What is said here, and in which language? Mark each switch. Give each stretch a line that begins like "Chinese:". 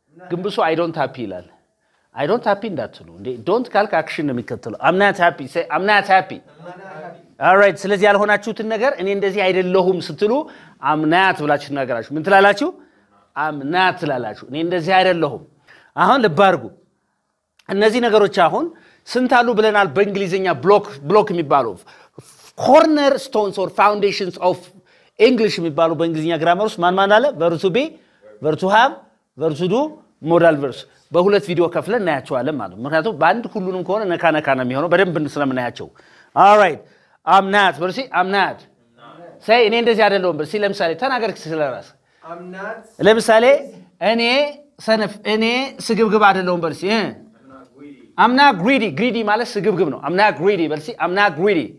English: ግንብሱ i don't happy ይላል i don't happy
Amharic: እንዳትሉ እንዴ
English: don't call action የሚከተለው i'm not happy say i'm not happy
Amharic: all right ስለዚህ ያልሆናችሁትን ነገር እኔ እንደዚህ አይደለሁም ስትሉ
English: i'm not
Amharic: ብላችሁ ነገራችሁ ምን ትላላችሁ I'm not ላላችሁ እኔ እንደዚህ አይደለሁም አሁን ልባርጉ እነዚህ ነገሮች አሁን ስንት አሉ ብለናል በእንግሊዘኛ ብሎክ የሚባለው
English: corner stones or foundations of english
Amharic: የሚባለው በእንግሊዘኛ ግራመር ውስጥ ማን ማን አለ
English: verb to be verb to have verb to do modal verbs
Amharic: በሁለት ቪዲዮ ከፍለን እናያቸዋለን ማለት ምክንያቱም በአንድ ሁሉንም ከሆነ ነካ ነካ ነው የሚሆነው በደንብ እንስለምናያቸው all right i'm not በርሲ i'm not say እኔ እንደዚህ አይደለሁም በርሲ ለምሳሌ ተናገርክ ስለራስ
English: I'm not
Amharic: ለምሳሌ እኔ ሰነፍ እኔ ስግብግብ አይደለሁም በልሲ
English: I'm not greedy greedy
Amharic: ማለት ስግብግብ ነው
English: I'm not greedy በልሲ I'm not greedy